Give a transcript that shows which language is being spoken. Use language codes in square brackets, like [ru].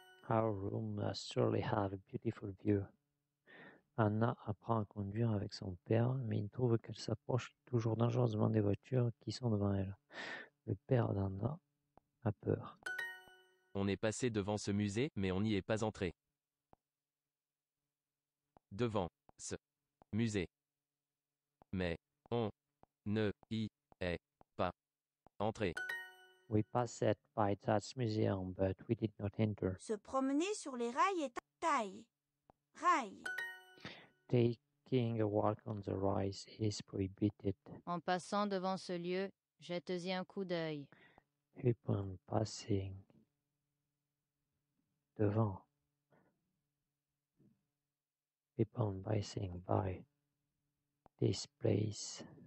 [en] Our room must surely have a beautiful view. [fr] Anna apprend à conduire avec son père, mais il trouve qu'elle s'approche toujours dangereusement des voitures qui sont devant elle. Le père d'Anna a peur. On est passé devant ce musée, mais on n'y est pas entré. Devant ce musée. Mais on ne y est pas entré. [en] We passed by that museum, but we did not enter. [fr] Se promener sur les rails est taille. Rail. [en] Taking a walk on the rails is prohibited. [fr] En passant devant ce lieu, jetez-y un coup d'œil. [en] Upon passing [fr] devant. [en] Keep on passing by this place.